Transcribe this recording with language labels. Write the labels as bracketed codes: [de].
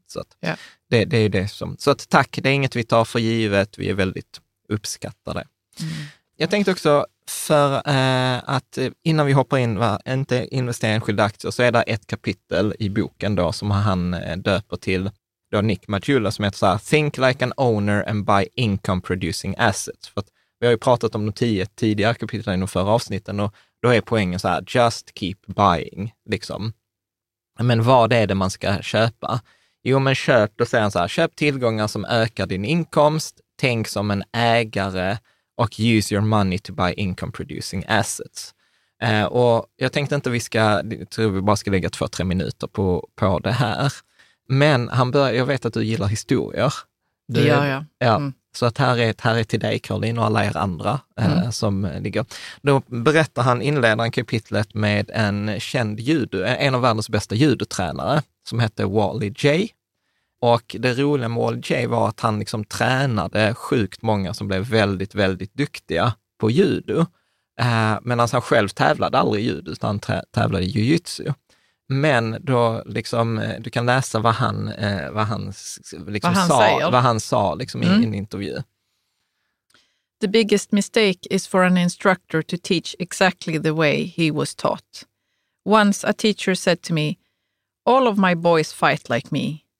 [sv] Så att det är det som... Så att tack, det är inget vi tar för givet. Vi är väldigt uppskattade. Mm. Jag tänkte också för att innan vi hoppar in, va, inte investera i enskilda aktier, så är det ett kapitel i boken då som han döper till. [en] Då Nick Matula [sv] som heter så här, [en] think like an owner and buy income producing assets. [sv] För att vi har ju pratat om de 10 tidigare kapitlen i de förra avsnitten och då är poängen så här, [en] just keep buying [sv] liksom. Men vad är det man ska köpa? Jo men köp, då säger han så här, köp tillgångar som ökar din inkomst, tänk som en ägare och [en] use your money to buy income producing assets. [sv] Och jag tänkte inte vi ska, jag tror vi bara ska lägga 2-3 minuter på det här. Men han börjar, jag vet att du gillar historier. Det gör jag. Ja. Mm. Så att här är till dig Caroline och alla er andra som ligger. Då berättar han inledaren kapitlet med en känd judo, en av världens bästa judotränare som heter Wally J. Och det roliga med Old Jay var att han liksom tränade sjukt många som blev väldigt, väldigt duktiga på judo. Medan han själv tävlade aldrig i judo, utan han tävlade i jiu-jitsu. Men då liksom, du kan läsa vad han sa i en intervju. [en] The biggest mistake is for an instructor to teach exactly the way he was taught. Once a teacher said to me, all of my boys fight like me.